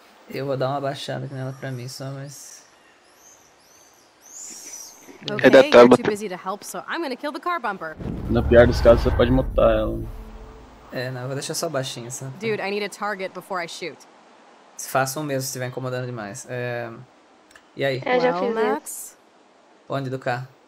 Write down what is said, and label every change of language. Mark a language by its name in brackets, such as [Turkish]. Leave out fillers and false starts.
[Portuguese] Eu vou dar uma baixada aqui nela pra mim só, mas... Okay, é da Tabata. [English] You're too busy to help, so I'm gonna kill the car bumper. [Portuguese] Na pior dos casos, você pode mutar ela. É, não, eu vou deixar só baixinho, só. [English] Dude, I need a target before I shoot. [Portuguese] Faça um mesmo, se estiver incomodando demais. É... E aí? Eu já fiz Max. Isso. Onde do carro?